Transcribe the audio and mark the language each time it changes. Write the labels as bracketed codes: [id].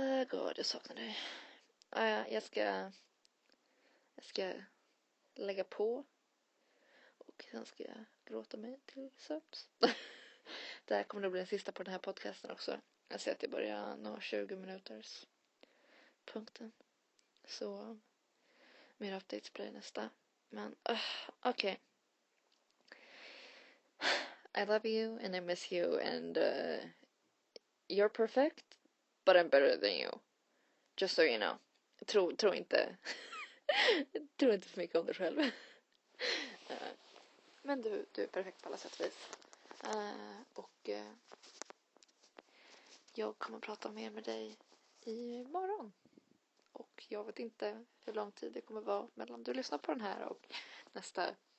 [sv] God, jag saknar dig. Jag ska lägga på. Och sen ska jag gråta mig till sömns. Det här kommer att bli den sista på den här podcasten också. Jag ser att jag börjar nå 20 minuters punkten. Så mer updates blir nästa. Men okej. [en] Okay. I love you and I miss you and you're perfect but I'm better than you. Just so you know. [sv] Tro inte. Tro inte för mycket om dig själv. Men du är perfekt på alla sätt och vis. Och jag kommer att prata mer med dig imorgon. Och jag vet inte hur lång tid det kommer vara mellan du lyssnar på den här och nästa.